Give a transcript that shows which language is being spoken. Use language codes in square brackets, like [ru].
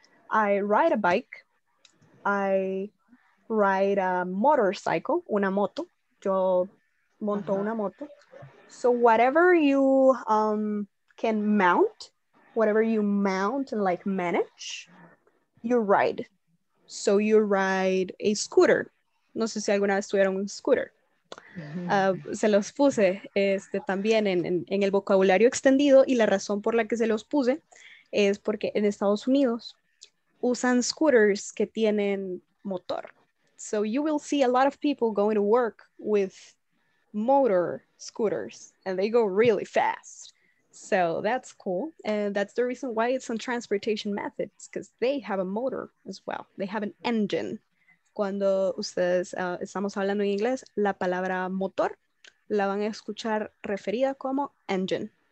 [en] I ride a bike, I ride a motorcycle, una moto, yo monto una moto. So whatever you can mount, whatever you mount and like manage, you ride. So you ride a scooter. [es] No sé si alguna vez tuvieron un scooter. Se los puse también en el vocabulario extendido, y la razón por la que se los puse es porque en Estados Unidos usan scooters que tienen motor. [en] So you will see a lot of people going to work with motor scooters and they go really fast. So that's cool. And that's the reason why it's on transportation methods, because they have a motor as well. They have an engine. [es] Cuando ustedes estamos hablando en inglés, la palabra motor la van a escuchar referida como engine.